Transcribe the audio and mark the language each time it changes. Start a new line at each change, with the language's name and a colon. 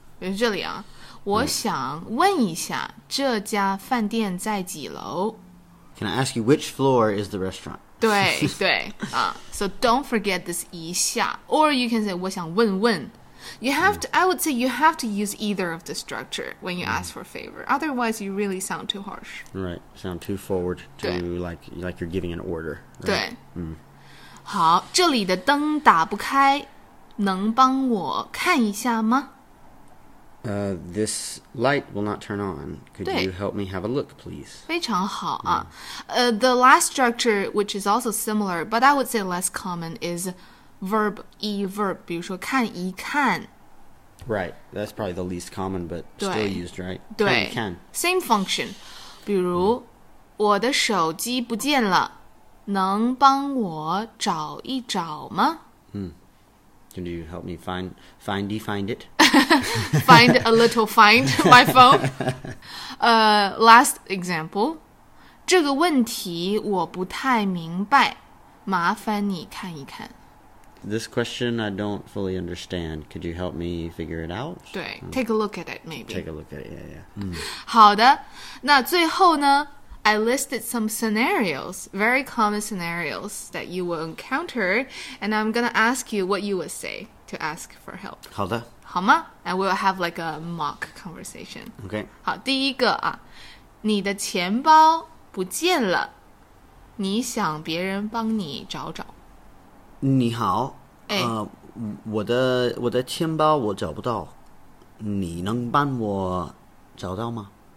Chinese: 对、这里啊我想问一下这家饭店在几楼
English: Can I ask you which floor is the restaurant?
Chinese: 对对、
English: So don't forget this 一下 Or you can say
Chinese: 我想问问
English: You have to, I would say you have to use either of the structure when you ask for a favor. Otherwise, you really sound too harsh. Right, sound too forward to like you're giving an order. Right?
Chinese: 对。好，这里的灯打不开，能帮我看一下吗？
English: This light will not turn on. Could you help me have a look, please?
Chinese: 非常好啊。
English: The last structure, which is also similar, but I would say less common, is...Verb 一 verb,
Chinese: 比如说看一看。
English: Right. That's probably the least common, but still used, right? Can. Same function.
Chinese: 比如、嗯、我的手机不见了，能帮我找一找吗？
English: 嗯。Can you help me find it? Find a little find my phone. Last example.
Chinese: 这个问题我不太明白，麻烦你看一看。
English: This question I don't fully understand. Could you help me figure it out? 对、嗯、take a look at it, maybe. Take a look at it, yeah, yeah.、嗯、
Chinese: 好的，那最后呢
English: I listed some scenarios, very common scenarios that you will encounter, and I'm going to ask you what you would say to ask for help.
Chinese: 好的。好吗？
English: And we'll have like a mock conversation. Okay.
Chinese: 好，第一个啊，你的钱包不见了，你想别人帮你找找。你好、哎我的钱包我找不到，你能帮我找到吗？